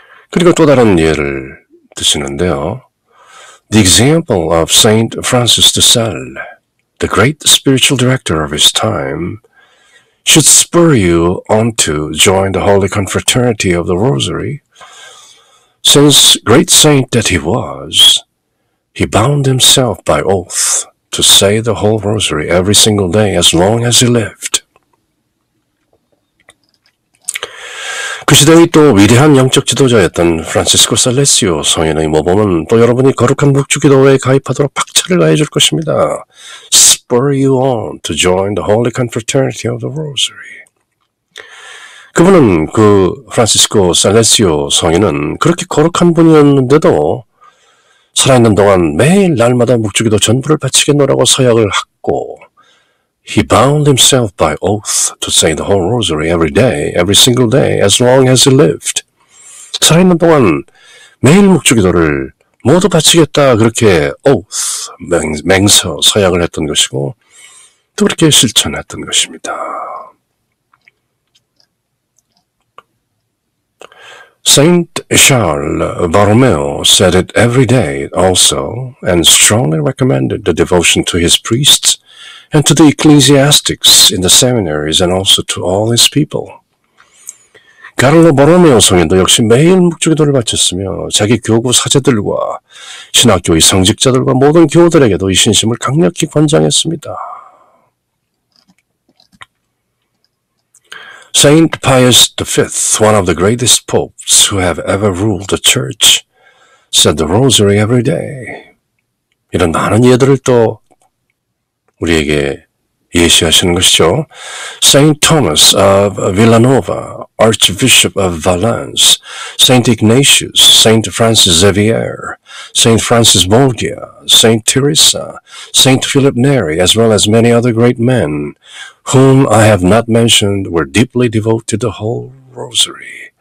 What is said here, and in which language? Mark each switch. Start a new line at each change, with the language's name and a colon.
Korean: 그리고 또 다른 예를 드시는데요.
English: The example of Saint Francis de Sales, the great spiritual director of his time, should spur you on to join the Holy Confraternity of the Rosary. Since great saint that he was, he bound himself by oath to say the whole rosary every single day as long as he lived.
Korean: 그 시대의 또 위대한 영적 지도자였던 프란시스코 살레시오 성인의 모범은 또 여러분이 거룩한 북주기도회에 가입하도록 박차를 가해줄 것입니다.
English: Spur you on to join the Holy Confraternity of the Rosary.
Korean: 그분은 그 프란시스코 살레시오 성인은 그렇게 거룩한 분이었는데도 살아있는 동안 매일 날마다 묵주기도 전부를 바치겠노라고 서약을 했고
English: He bound himself by oath to say the whole rosary every day, every single day, as long as he lived.
Korean: 살아있는 동안 매일 묵주기도를 모두 바치겠다 그렇게 oath, 맹서, 서약을 했던 것이고 또 그렇게 실천했던 것입니다.
English: 사int Charles Borromeo said it every day also and strongly recommended the devotion to his priests and to the ecclesiastics in the seminaries and also to all his people.
Korean: 카를로 보로메오 성인도 역시 매일 묵주기도를 바쳤으며 자기 교구 사제들과 신학교의 성직자들과 모든 교우들에게도 이 신심을 강력히 권장했습니다.
English: Saint Pius V, one of the greatest popes who have ever ruled the church, said the rosary every day.
Korean: 이런 많은 예들을 또 우리에게 예시하시는 것이죠.
English: Saint Thomas of Villanova, Archbishop of Valence, Saint Ignatius, Saint Francis Xavier, Saint Francis Borgia, Saint Teresa, Saint Philip Neri, as well as many other great men, whom I have not mentioned, were deeply devoted to the whole rosary.